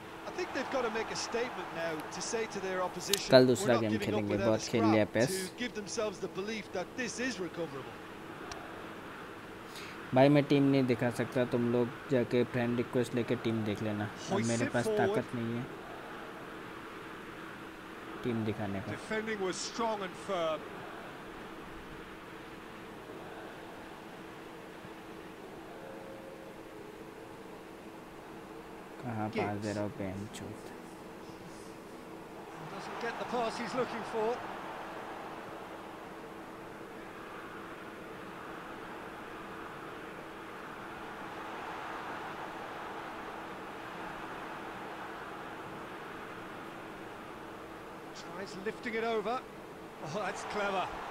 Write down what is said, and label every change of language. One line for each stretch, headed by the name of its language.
English: I think they've got to make a statement now to say to their opposition.
Hindi: कल दूसरा game खेलेंगे. बहुत खेल लिया pace.
English: Give themselves the belief that this is recoverable.
Hindi: भाई मैं टीम नहीं दिखा सकता. तुम लोग जाके फ्रेंड रिक्वेस्ट लेके टीम देख लेना. अब मेरे पास ताकत नहीं है टीम दिखाने का.
English: Defending was strong and firm.
Hindi: कहाँ पास दे रहा हूँ पेन चोट.
English: Doesn't get the pass he's looking for. Tries lifting it over. Oh, that's clever.